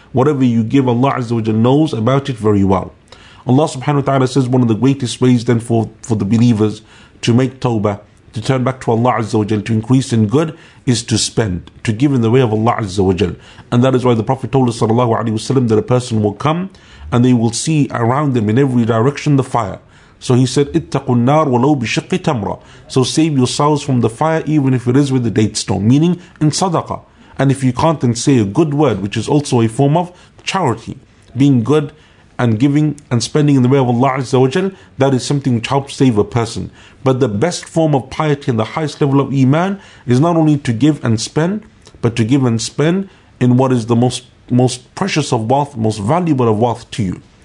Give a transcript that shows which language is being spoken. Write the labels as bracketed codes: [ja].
[en] Whatever you give, Allah Azza wa Jalla knows about it very well. Allah subhanahu wa ta'ala says one of the greatest ways then for the believers to make tawbah, to turn back to Allah Azza wa Jalla, to increase in good, is to spend, to give in the way of Allah Azza wa Jalla. And that is why the Prophet told us sallallahu alayhi wa sallam that a person will come and they will see around them in every direction the fire. So he said, [ar] اتقوا النار ولو بشق تمرة. [en] So save yourselves from the fire even if it is with a date stone, meaning in sadaqah. And if you can't, then say a good word, which is also a form of charity. Being good and giving and spending in the way of Allah Azza wa Jal, that is something which helps save a person. But the best form of piety and the highest level of Iman is not only to give and spend, but to give and spend in what is the most precious of wealth, most valuable of wealth to you.